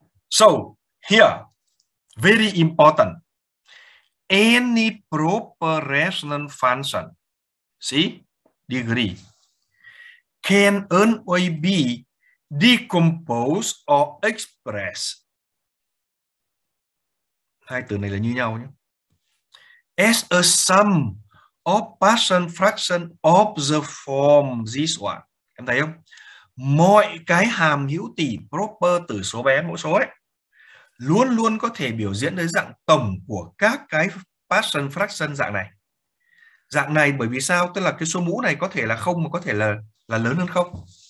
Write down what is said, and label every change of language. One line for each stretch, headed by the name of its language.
English: So here, very important, any proper rational function, see, degree, can only be decompose or express.
Vietnamese: Hai từ này là như nhau nhé.
English: As a sum of partial fraction of the form this one.
Vietnamese: Em thấy không? Mọi cái hàm hữu tỉ proper tử số bé mẫu số ấy luôn luôn có thể biểu diễn dưới dạng tổng của các cái partial fraction dạng này. Dạng này bởi vì sao? Tức là cái số mũ này có thể là không mà có thể là lớn hơn không.